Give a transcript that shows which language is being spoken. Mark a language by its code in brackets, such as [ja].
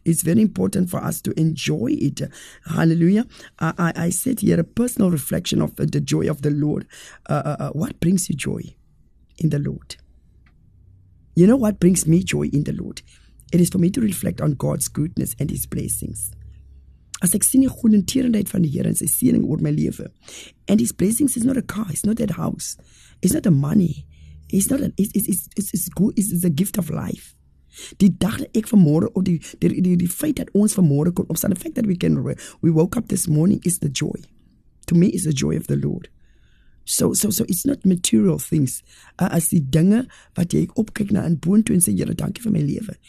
[en] It's very important for us to enjoy it. Hallelujah. I said here a personal reflection of the joy of the Lord. What brings you joy in the Lord? You know what brings me joy in the Lord? It is for me to reflect on God's goodness and his blessings. [af] As ek sien die goedertierendheid van die Here en sy seëning oor my lewe. [en] And his blessings is not a car, it's not that house, it's not the money, it's a gift of life. [af] Die dag dat ek vanmôre op die feit dat ons vanmôre kon opstaan, [en] the fact that we woke up this morning is the joy. To me is the joy of the Lord. So it's not material things. [af] As die dinge wat jy opkyk na in boontoe en sê, Here, dankie vir my lewe.